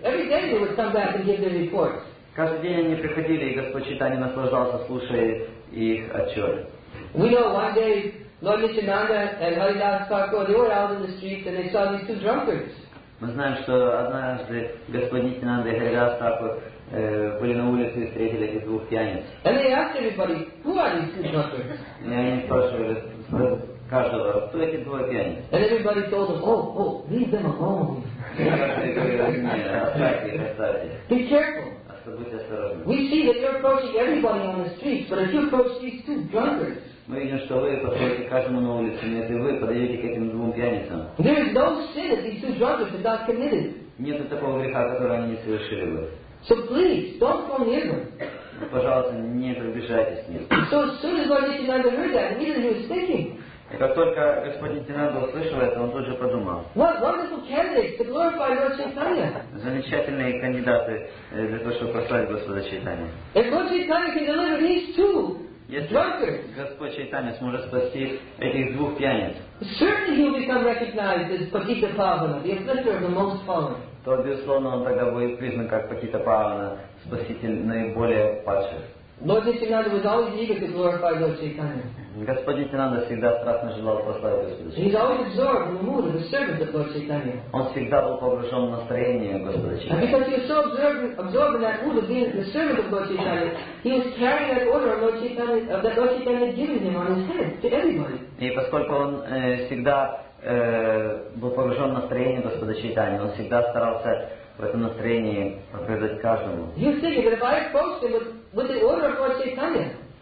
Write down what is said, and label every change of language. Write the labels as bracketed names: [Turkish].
[English] Every day they would come back and give their reports. [Russian] Каждый день они приходили, и Господь Чайтанья наслаждался, слушая их отчет. [English] We know one day Lord Nityananda and Haridasa Thakur, they were out in the streets and they saw these two drunkards. [Russian] Мы знаем, что однажды Господь Нитянанда и Харидаса Такур были на улице и встретили этих двух пьяниц. [English] And they asked everybody, who are these two drunkards? [Russian] И они спрашивали каждого, кто эти двое пьяницы? [English] And everybody told them, oh, leave them alone. Be careful. We see that you're approaching everybody on the streets, but if you approach these two drunkards, [Russian] мы видим, что вы подходите к каждому на улице, но если вы подойдете к этим двум пьяницам, [English] there is no sin that these two drunkards have not committed. [Russian] Нет такого греха, который они не совершили бы. [English] So please, don't go near them. [Russian] Пожалуйста, не приближайтесь к ним. [English] So as soon as Lord Nityananda heard that, immediately he was thinking. [Russian] И как только Господь Нитинанда услышал это, он тут же подумал. [English] What wonderful candidates to glorify Lord Chaitanya. [Russian] Замечательные кандидаты для того, чтобы прославить Господа Чайтанья. [English] If Lord Chaitanya can deliver these two, [Russian] если Господь Чайтанья сможет спасти этих двух пьяниц, [English] certainly he'll become recognized as Pakita Pavana, the afflicter of the most fallen. [Russian] То, безусловно, он тогда будет признан как Пакита Павана, спаситель наиболее падших. [English] Lord Nityananda was always eager to glorify Lord Chaitanya. [Russian] Господь Нитинанда всегда страстно желал прославить Господа. [English] He's always absorbed in the mood of the servant of Lord Chaitanya. [Russian] Он всегда был погружен в настроение Господа Чайтанья. [English] And because he was so absorbed in that mood of being the servant of Lord Chaitanya, he was carrying that order of Lord Chaitanya, that Lord Chaitanya had given him on his head to everybody. [Russian] И поскольку он всегда был погружен в настроение Господа Чайтанья, он всегда старался в этом настроении показать каждому. [English] He was thinking that if I approached him with the order of Lord Chaitanya,